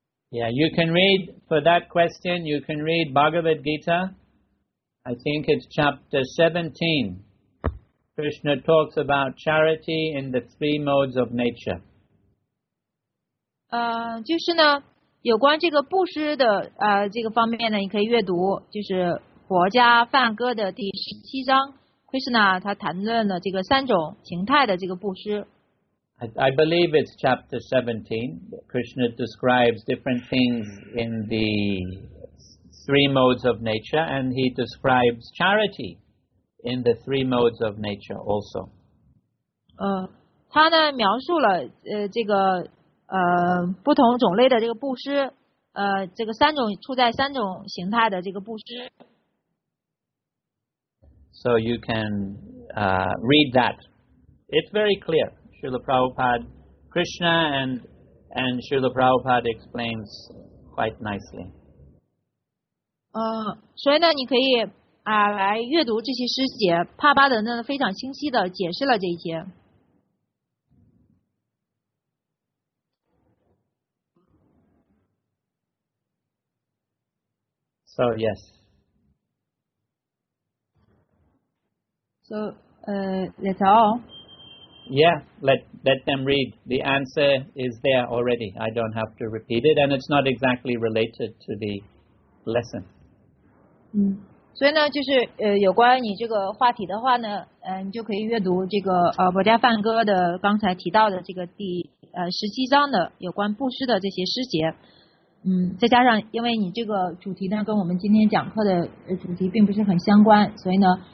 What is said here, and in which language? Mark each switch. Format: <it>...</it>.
<en>Yeah, you can read for that question, you can read Bhagavad Gita. I think it's chapter 17. Krishna talks about charity in the three modes of nature.</en> <zh>就是呢，有关这个布施的这个方面呢，你可以阅读，就是佛家梵歌的第17章。 Krishna 他谈论了这个三种形态的这个布施。</zh> <en>I believe it's chapter 17. Krishna describes different things in the three modes of nature, and he describes charity in the three modes of nature also.</en> <zh>他呢描述了这个不同种类的这个布施，这个三种处在三种形态的这个布施。</zh> <en>So you can read that. It's very clear. Srila Prabhupada, Krishna and Srila Prabhupada explains quite nicely.</en> <zh>所以呢，你可以来阅读这些诗节，帕巴德呢非常清晰的解释了这一些。</zh> <en>So yes. So, that's all. Yeah, let them read. The answer is there already. I don't have to repeat it, and it's not exactly related to the lesson.</en> <zh>所以呢，就是有关你这个话题的话呢，你就可以阅读这个佛家梵歌的刚才提到的这个第十七章的有关布施的这些诗节。再加上因为你这个主题呢跟我们今天讲课的主题并不是很相关，所以呢。</zh>